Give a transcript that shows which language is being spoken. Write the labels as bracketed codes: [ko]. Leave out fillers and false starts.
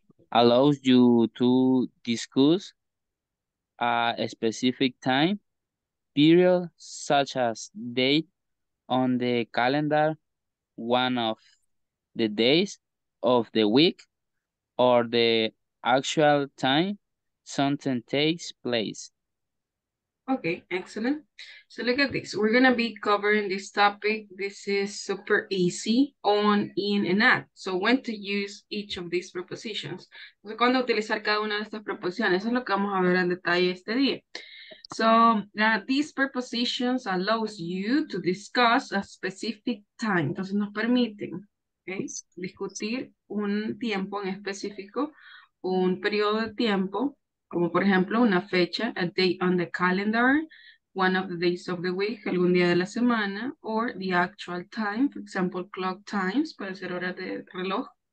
[en] Allows you to discuss a specific time period, such as date on the calendar, one of the days of the week, or the actual time something takes place. Okay, excellent. So look at this. We're going to be covering this topic. This is super easy, on, in, and at. So when to use each of these prepositions. [es] Entonces, ¿cuándo utilizar cada una de estas preposiciones? Eso es lo que vamos a ver en detalle este día. [en] So these prepositions allows you to discuss a specific time. [es] Entonces nos permiten, okay, discutir un tiempo en específico, un periodo de tiempo, como por ejemplo una fecha, [en] a date on the calendar, one of the days of the week, [es] algún día de la semana, [en] or the actual time, for example, clock times, [es] puede ser hora de reloj.